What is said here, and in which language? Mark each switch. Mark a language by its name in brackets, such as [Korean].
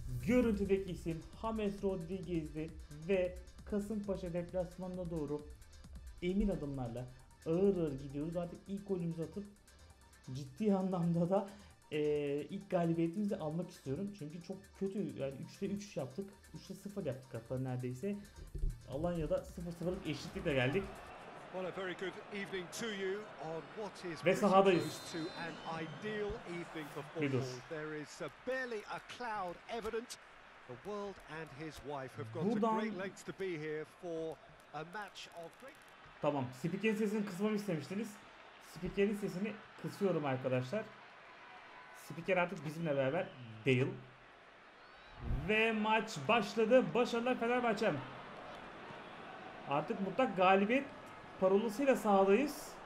[Turkish] Görüntüdeki isim James Rodriguez'di ve Kasımpaşa deplasmanına doğru emin adımlarla ağır ağır gidiyoruz. Artık ilk golümüzü atıp ciddi anlamda da ilk galibiyetimizi almak istiyorum. Çünkü çok kötü. Yani 3'te 3 yaptık. 3'te 0 yaptık hatta neredeyse. Alanya'da 0-0'lık eşitlikle geldik. [English] Well, a very good evening to you on what is close to an ideal evening for football. There is barely a cloud evident. The world and his wife have gone to great lengths to be here for a match of great. [Turkish] Tamam, spikerin sesini kısmamı istemiştiniz. Spikerin sesini kısıyorum arkadaşlar. Spiker artık bizimle beraber değil. Ve maç başladı. Başarılar Fenerbahçe. Artık mutlak galibiyet parolasıyla sahadayız.